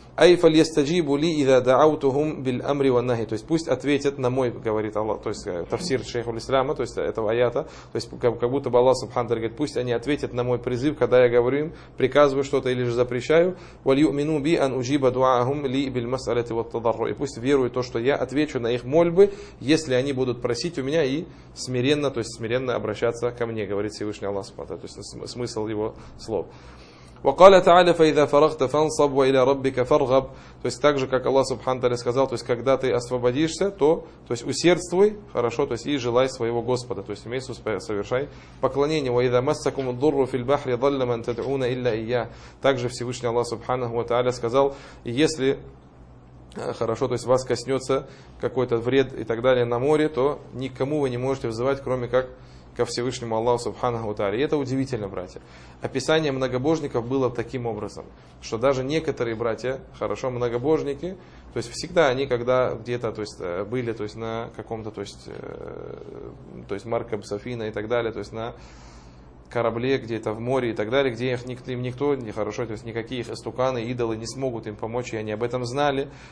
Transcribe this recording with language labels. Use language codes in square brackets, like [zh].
[ar] Айфа льястаджибу ли иза даутухум биль амри ва нахи. [ru] То есть пусть ответят на мой, говорит Аллах, то есть тафсир шейху ль-Ислама, то есть этого аята, то есть как будто бы Аллах Субханаху говорит: пусть они ответят на мой призыв, когда я говорю им, приказываю что-то или же запрещаю. [ar] Валь юмину би ан уджиба дуаахум ли биль мас'алати ва тадарру. [ru] И пусть веруют то, что я отвечу на их мольбы, если они будут просить у меня и смиренно, то есть смиренно обращаться ко мне, говорит Всевышний Аллах Субханаху, то есть смысл его слов. [ar] وقال تعالى فإذا فرغت فانصب وإلى ربك فارغب. [ru] То есть так же, как Аллах Субхану тааля сказал, то есть когда ты освободишься, то есть усердствуй, хорошо, то есть и желай своего Господа, то есть имей совершай поклонение. [ar] وإذا مسكم الضر في البحر ضل من تدعون إلا إياه. [ru] Также Всевышний Аллах Субхану тааля сказал: если хорошо, то есть вас коснется какой-то вред и так далее на море, то никому вы не можете взывать, кроме как ко Всевышнему Аллаху Субханаху Тааля. И это удивительно, братья. Описание многобожников было таким образом, что даже некоторые братья, хорошо, многобожники, то есть всегда они, когда где-то то есть, были то есть, на каком-то, то есть Марка Бсафина и так далее, то есть на корабле, где-то в море и так далее, где их никто, им никто не хорошо, то есть никакие их истуканы, идолы не смогут им помочь, и они об этом знали.